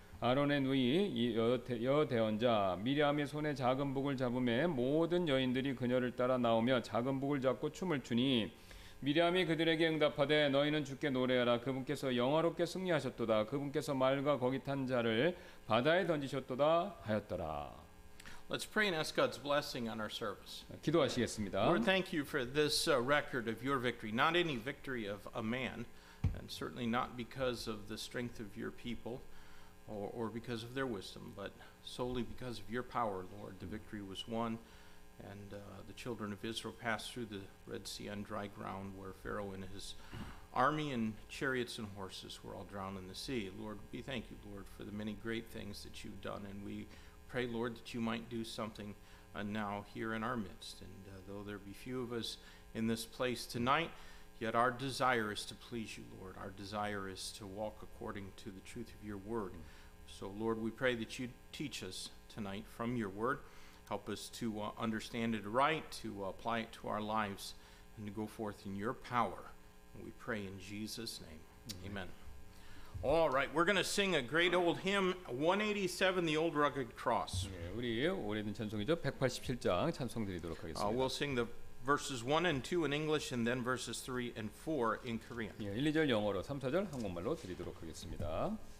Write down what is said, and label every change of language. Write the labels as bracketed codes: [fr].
[ko] 아론의 누이 여대원자 미리암의 손에 작은 북을 잡음에 모든 여인들이 그녀를 따라 나오며 작은 북을 잡고 춤을 추니 미리암이 그들에게 응답하되 너희는 주께 노래하라 그분께서 영화롭게 승리하셨도다 그분께서 말과 거기 탄 자를 바다에 던지셨도다 하였더라. [en] Let's pray and ask God's blessing on our service. [ko] 기도하시겠습니다. [en] Lord, thank you for this record of your victory. Not any victory of a man, and certainly not because of the strength of your people or because of their wisdom, but solely because of your power, Lord. The victory was won, and the children of Israel passed through the Red Sea on dry ground where Pharaoh and his army and chariots and horses were all drowned in the sea. Lord, we thank you, Lord, for the many great things that you've done, and we pray, Lord, that you might do something now here in our midst. And though there be few of us in this place tonight, yet our desire is to please you, Lord. Our desire is to walk according to the truth of your word. So, Lord, we pray that you teach us tonight from your word. Help us to understand it right, to apply it to our lives, and to go forth in your power. And we pray in Jesus' name. Mm-hmm. Amen. All right, we're going to sing a great old hymn, 187, The Old Rugged Cross. [ko] 예, 우리 오래된 찬송이죠. 187장 찬송 드리도록 하겠습니다. [en] We'll sing the verses 1 and 2 in English and then verses 3 and 4 in Korean. [ko] 예, 1, 2절 영어로, 3, 4절 한국말로 드리도록 하겠습니다.